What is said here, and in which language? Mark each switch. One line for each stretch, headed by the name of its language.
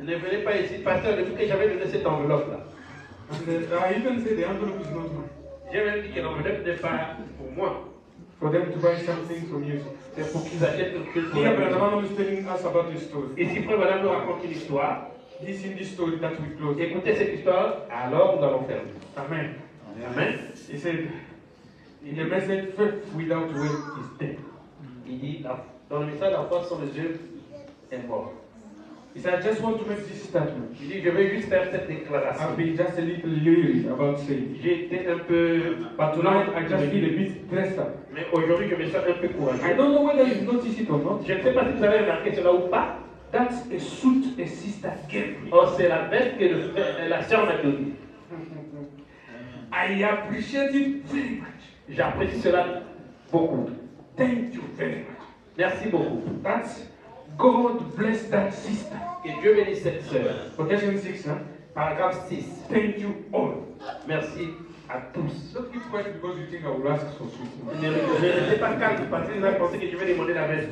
French: Ne venez pas ici, pasteur, depuis que j'avais donné cette enveloppe-là.
English: I even say the envelope is not mine.
French: J'ai même dit que l'enveloppe n'est pas pour moi.
English: For them to buy something from you.
French: C'est pour qu'ils achètent quelque chose.
English: Here, Brother Manon is telling us about the story.
French: Et si Frère Manon nous raconte une histoire,
English: listen this story that we close.
French: Écoutez cette histoire, alors nous allons fermer. Amen. Amen.
English: He said, in the message, faith without work is dead.
French: Il dit, dans le message, la foi sans les yeux est mort.
English: He said, I just want to make this statement.
French: Il dit, je veux juste faire cette déclaration.
English: I've been just a little leery about saying.
French: J'étais un peu.
English: But tonight, I just feel a bit stressed.
French: Mais aujourd'hui, je me sens un peu courageux.
English: I don't know whether you've noticed it or not.
French: Je ne sais pas si vous avez remarqué cela ou pas.
English: That's a suit a sister gave me.
French: Oh, c'est la veste que la sœur m'a donnée.
English: I appreciate it very much.
French: J'apprécie cela beaucoup.
English: Thank you very much.
French: Merci beaucoup.
English: That's God bless that sister.
French: Et Dieu bénisse cette sœur. Protection 6, hein? Paragraphe 6.
English: Thank you all.
French: Merci à tous.
English: Don't be quiet because you think I will ask for something.
French: Ne restez pas calme parce que vous avez pensé que je vais demander la veste.